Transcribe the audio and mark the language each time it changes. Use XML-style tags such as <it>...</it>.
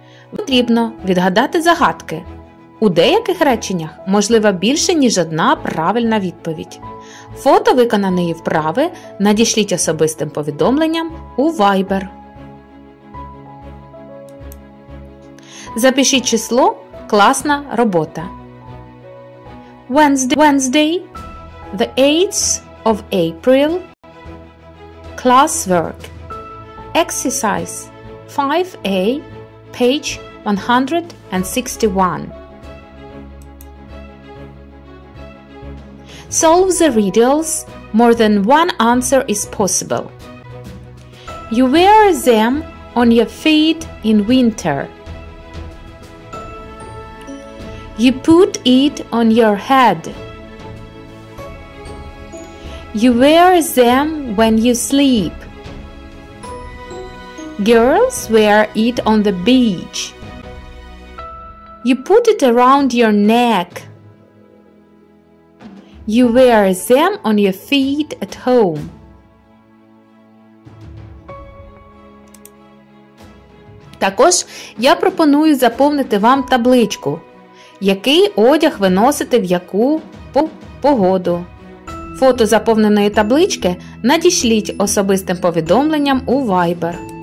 <uk>Потрібно відгадати загадки. У деяких реченнях можлива більше, ніж одна правильна відповідь. Фото виконаної вправи надішліть особистим повідомленням у Viber. Запишіть число «Класна робота».</uk> <en>Wednesday, the 8th of April, Classwork. Exercise 5A, page 161. Solve the riddles. More than one answer is possible. You wear them on your feet in winter. You put it on your head. You wear them when you sleep. Girls wear it on the beach. You put it around your neck. You wear them on your feet at home.</en> <uk>Також я пропоную заповнити вам табличку, який одяг ви носите в яку погоду. Фото заповненої таблички надішліть особистим повідомленням у Viber.</uk>